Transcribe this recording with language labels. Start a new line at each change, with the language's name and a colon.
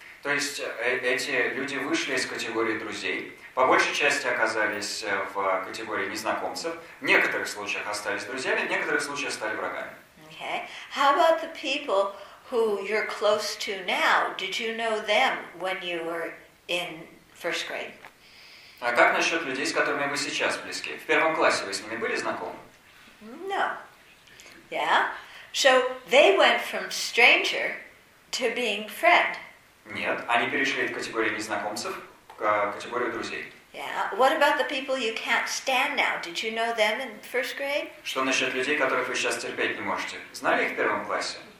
Russian: То есть эти люди вышли из категории друзей. По большей части оказались в категории незнакомцев. В некоторых случаях остались друзьями, в некоторых случаях стали врагами.
English: Okay. How about the people who you're close to now? Did you know them when you were in first grade?
Russian: А как насчет людей, с которыми вы сейчас близки? В первом классе вы с ними были знакомы?
English: No. Yeah. So they went from stranger to being friend.
Russian: Нет, они перешли из категории незнакомцев к категории друзей.
English: Yeah. What about the people you can't stand now? Did you know them in first grade?
Russian: Что насчет людей, которых вы сейчас терпеть не можете? Знали их в первом классе?